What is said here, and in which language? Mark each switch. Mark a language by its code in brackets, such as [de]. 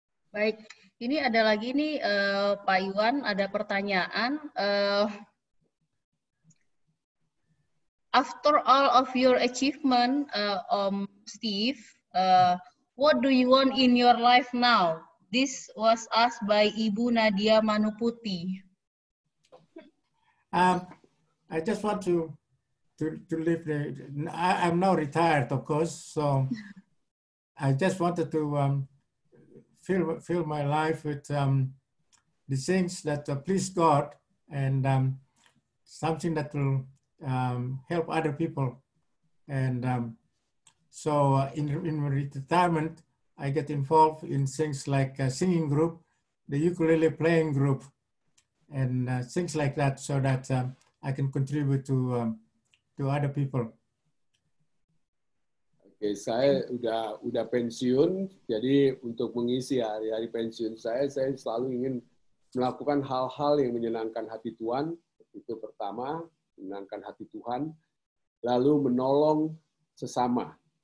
[id] Baik, ini ada lagi nih, Pak Iwan, ada pertanyaan. [en] After all of your achievement, Om Steve, what do you want in your life now? This was asked by Ibu Nadia Manuputi. I just want to live the. I'm now retired, of course. So I just wanted to fill my life with the things that please God and something that will help other people. And so in retirement, I get involved in things like a singing group, the ukulele playing group, and things like that, so that I can contribute to other people. [id] Okay, saya udah pensiun, jadi untuk mengisi hari-hari pensiun saya selalu ingin melakukan hal-hal yang menyenangkan hati Tuhan. Itu pertama, menyenangkan hati Tuhan, lalu menolong sesama.